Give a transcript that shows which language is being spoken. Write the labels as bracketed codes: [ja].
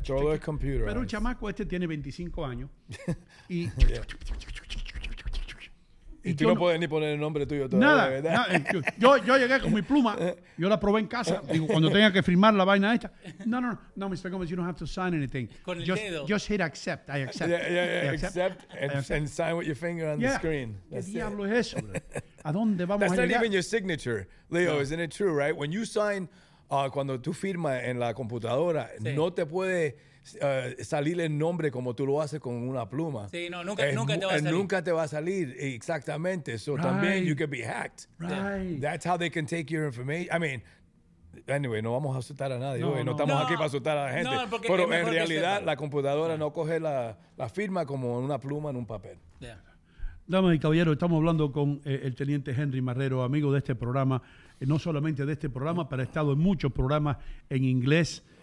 [es] Todo es computer. Pero el chamaco este tiene 25 años. Y Y tú no puedes ni poner el nombre tuyo todavía. Nada. Yo llegué con mi pluma. Yo la probé en casa. Digo, cuando tenga que firmar la vaina esta. [en] No, Mr. Gomez, you don't have to sign anything. [es] Con el dedo. [en] Just hit accept. I accept. Accept and sign with your finger on the screen. [es] That's ¿Qué diablo es eso, bro? ¿A dónde vamos [en] That's [es] a llegar? [en] That's not even your signature, Leo. No. Isn't it true, right? When you sign, [es] cuando tú firmas en la computadora, sí. No te puede... salir el nombre como tú lo haces con una pluma. Sí, no, nunca te va a salir. Nunca te va a salir, exactamente. [en] So right. [es] También [en] you can be hacked. Right. That's how they can take your information. I mean, anyway, [es] no vamos a asustar a nadie. No estamos aquí para asustar a la gente. No, porque pero en realidad la computadora no coge la firma como una pluma en un papel. [en] Yeah. [es] Damas y caballeros, estamos hablando con el Teniente Henry Marrero, amigo de este programa, no solamente de este programa, pero ha estado en muchos programas en inglés.